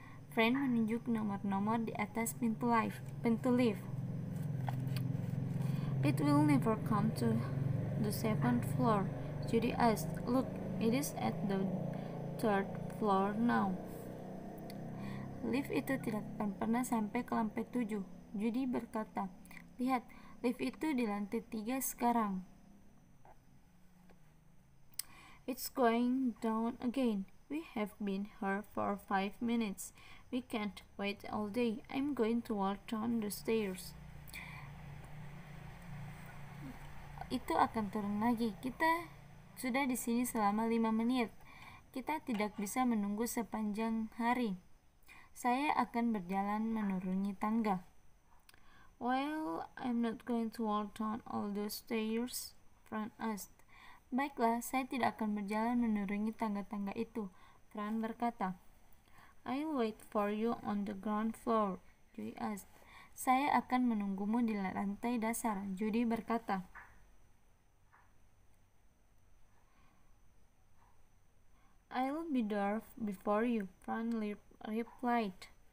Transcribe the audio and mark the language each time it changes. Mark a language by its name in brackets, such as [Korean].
[Indonesian] Fran menunjuk nomor-nomor di atas pintu lift. [English] It will never come to the seventh floor, Judy asked. Look, it is at the third floor now. [Indonesian] Lift itu tidak akan pernah sampai ke lantai 7, Judy berkata. Lihat, lift itu di lantai 3 sekarang. [English] It's going down again. We have been here for 5 minutes. We can't wait all day. I'm going to walk down the stairs. [Indonesian] Itu akan turun lagi. Kita sudah di sini selama 5 menit. Kita tidak bisa menunggu sepanjang hari. Saya akan berjalan menuruni tangga. [English] Well, I'm not going to walk down all the stairs, Fran asked. [Indonesian] Baiklah, saya tidak akan berjalan menuruni tangga-tangga itu, Fran berkata. [English] I'll wait for you on the ground floor, Judy asked. [Indonesian] Saya akan menunggumu di lantai dasar, Judy berkata. [English] I'll be there before you, Fran replied.